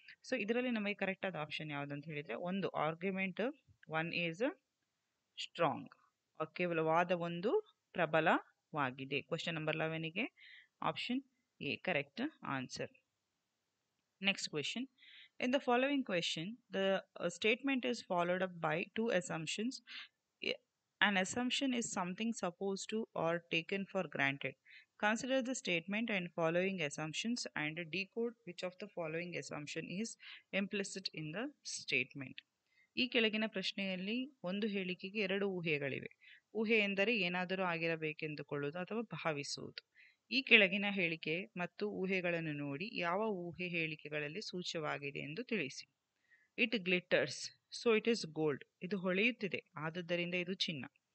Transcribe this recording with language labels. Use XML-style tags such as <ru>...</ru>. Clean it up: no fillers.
<kn>So ಇದರಲ್ಲಿ ನಮಗೆ correct ಆದ ಆಪ್ಷನ್ ಯಾವುದಂತ ಹೇಳಿದರೆ, ಒಂದು,</kn> <en>argument one is strong,</en> <kn>ಕೇವಲ ವಾದ ಒಂದು ಪ್ರಬಲವಾಗಿದೆ.</kn> <en>Question number 11ಗೆ option A correct answer. Next question, in the following question the statement is followed up by two assumptions. An assumption is something supposed to or taken for granted. Consider the statement and following assumptions and decode which of the following assumption is implicit in the statement.</en> <kn>ಈ ಕೆಳಗಿನ ಪ್ರಶ್ನೆಯಲ್ಲಿ ಒಂದು ಹೇಳಿಕೆಗೆ ಎರಡು ಊಹೆಗಳಿವೆ. ಊಹೆ ಎಂದರೆ ಏನಾದರೂ ಆಗಿರಬೇಕೆಂದುಕೊಳ್ಳುವುದು ಅಥವಾ ಭಾವಿಸುವುದು. ಈ ಕೆಳಗಿನ ಹೇಳಿಕೆ ಮತ್ತು ಊಹೆಗಳನ್ನು ನೋಡಿ ಯಾವ ಊಹೆ ಹೇಳಿಕೆಗಳಲ್ಲಿ ಸೂಚ್ಯವಾಗಿದೆ ಎಂದು ತಿಳಿಸಿ.</kn> <en>it glitters, so it is gold,</en> <kn>ಇದು ಹೊಳೆಯುತ್ತಿದೆ ಆದ್ದರಿಂದ ಇದು ಚಿನ್ನ.</kn>